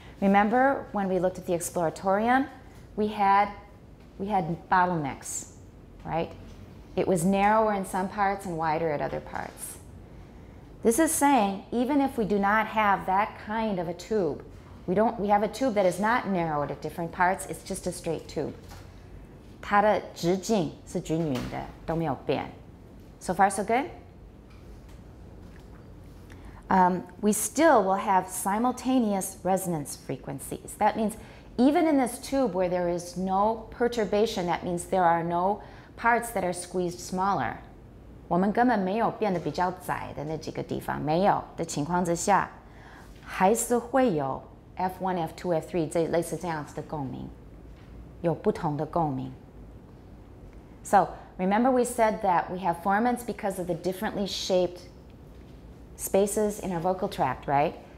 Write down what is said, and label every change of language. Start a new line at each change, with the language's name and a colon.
English: Remember when we looked at the exploratorium, we had bottlenecks, right? It was narrower in some parts and wider at other parts. This is saying even if we do not have that kind of a tube, we have a tube that is not narrowed at different parts, it's just a straight tube.
Chinese: 它的直径是均匀的,都没有变.
English: So far, so good? We still will have simultaneous resonance frequencies. That means even in this tube where there is no perturbation, that means there are no parts that are squeezed smaller.
Chinese: 我们根本没有变得比较窄的那几个地方,没有的情况之下, 还是会有 F1, F2, F3, 这类似这样子的共鸣,有不同的共鸣.
English: So, remember we said that we have formants because of the differently shaped spaces in our vocal tract, right?